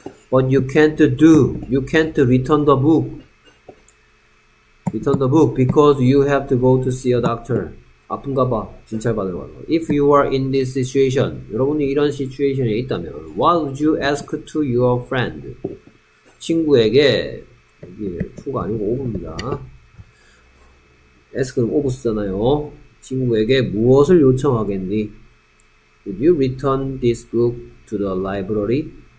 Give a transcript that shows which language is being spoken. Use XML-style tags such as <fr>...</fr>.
<en>But you can't do, you can't return the book. Return the book because you have to go to see a doctor.</en> <ko>아픈가 봐. 진찰 받으러 가는 거.</ko> <en>If you are in this situation,</en> <ko>여러분이 이런 situation에 있다면,</ko> <en>what would you ask to your friend?</en> <ko>친구에게 이게 2가 아니고 5입니다. ask는 오브 쓰잖아요. 친구에게 무엇을 요청하겠니?</ko> <en>Would you return this book to the library?</en>